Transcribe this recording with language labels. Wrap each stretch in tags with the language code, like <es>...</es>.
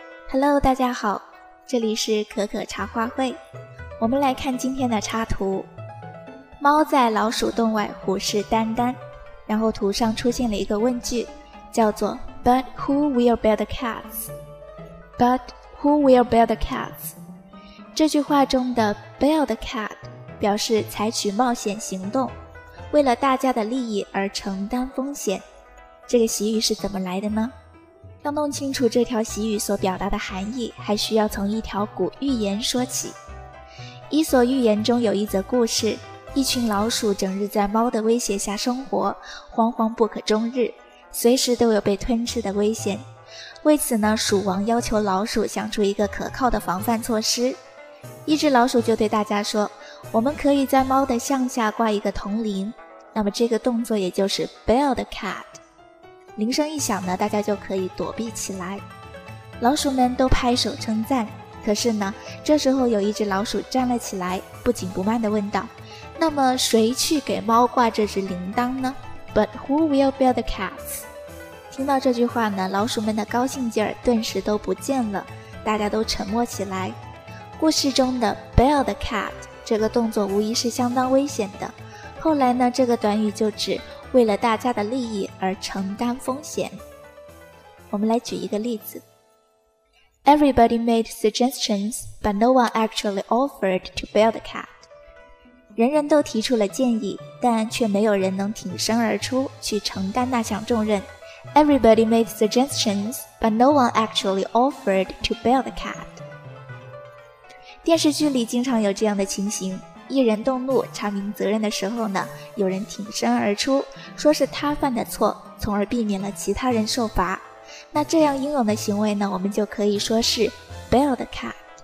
<en>Hello，</en> <zh>大家好，这里是可可茶话会。我们来看今天的插图，猫在老鼠洞外虎视眈眈，然后图上出现了一个问句，叫做</zh> <en>But who will bear the cats? But who will bear the cats?</en> <zh>这句话中的</zh> <en>bear the cat</en> <zh>表示采取冒险行动，为了大家的利益而承担风险，这个习语是怎么来的呢？要弄清楚这条习语所表达的含义，还需要从一条古寓言说起。伊索寓言中有一则故事，一群老鼠整日在猫的威胁下生活，惶惶不可终日，随时都有被吞吃的危险。为此呢，鼠王要求老鼠想出一个可靠的防范措施。一只老鼠就对大家说，我们可以在猫的向下挂一个铜铃，那么这个动作也就是</zh> <en>bell the cat。</en> <zh>铃声一响呢，大家就可以躲避起来。老鼠们都拍手称赞，可是呢，这时候有一只老鼠站了起来，不紧不慢地问道，那么谁去给猫挂这只铃铛呢？</zh> <en>But who will bear the cats?</en> <zh>听到这句话呢，老鼠们的高兴劲儿顿时都不见了，大家都沉默起来。故事中的</zh> <en>bear the cat</en> <zh>这个动作无疑是相当危险的，后来呢，这个短语就指为了大家的利益而承担风险。我们来举一个例子。</zh> <en>Everybody made suggestions, but no one actually offered to bear the cat.</en> <zh>人人都提出了建议，但却没有人能挺身而出去承担那项重任。</zh> <en>Everybody made suggestions, but no one actually offered to bear the cat.</en> <zh>电视剧里经常有这样的情形，一人动怒查明责任的时候呢，有人挺身而出，说是他犯的错，从而避免了其他人受罚。那这样英勇的行为呢，我们就可以说是</zh> <en>bell the cat。</en>